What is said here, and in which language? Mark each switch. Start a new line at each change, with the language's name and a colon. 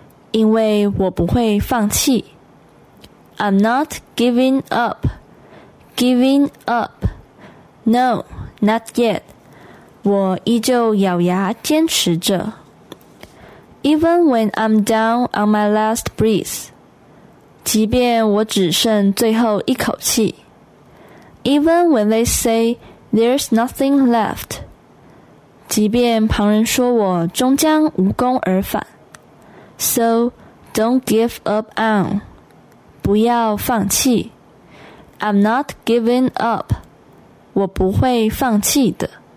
Chinese: 因为我不会放弃。
English: I'm not giving up. Giving up. No, not yet.
Chinese: 我依旧咬牙坚持着。
English: Even when I'm down on my last breath.
Chinese: 即便我只剩最后一口气。
English: Even when they say there's nothing left.
Chinese: 即便旁人说我终将无功而返。
English: So, don't give up on.
Chinese: 不要放弃。
English: I'm not giving up.
Chinese: 我不会放弃的。